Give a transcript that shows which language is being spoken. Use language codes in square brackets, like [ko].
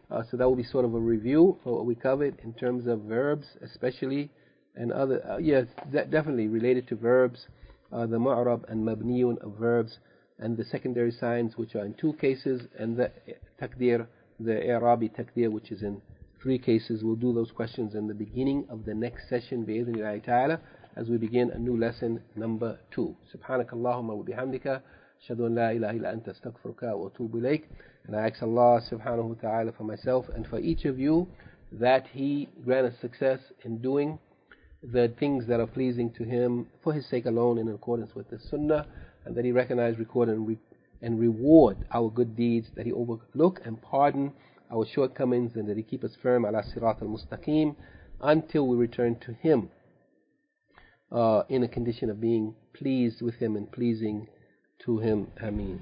[en] So that will be sort of a review of what we covered in terms of verbs, especially, and other, definitely related to verbs, the ma'rab and mabniyun of verbs, and the secondary signs, which are in 2 cases, and the takdir, the i'rabi takdir, which is in 3 cases. We'll do those questions in the beginning of the next session, [ar] bi'idhnillahi ta'ala, [en] as we begin a new lesson number 2. [ar] Subhanakallahumma wa bihamdika. أشهد أن لا إله إلا أنت أستغفرك وأتوب إليك. [en] And I ask Allah subhanahu wa ta'ala for myself and for each of you that He grant us success in doing the things that are pleasing to Him for His sake alone in accordance with the Sunnah, and that He recognize, record, and reward our good deeds, that He overlook and pardon our shortcomings, and that He keep us firm [ar] ala sirat al-mustaqim [en] until we return to Him in a condition of being pleased with Him and pleasing to him. Ameen.